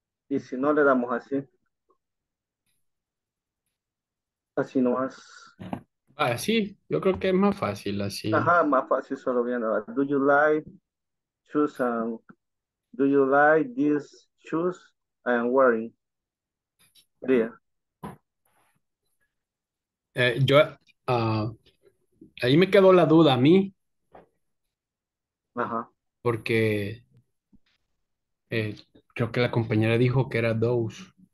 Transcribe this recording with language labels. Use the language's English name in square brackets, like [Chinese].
[Spanish] Y si no le damos así, así nomás. Ah, sí, yo creo que es más fácil así. Ajá, más fácil solo viendo. [English] Do you like shoes and do you like these shoes I am wearing? Yeah. [Spanish] Yo, ahí me quedó la duda a mí. Ajá. Porque creo que la compañera dijo que era those.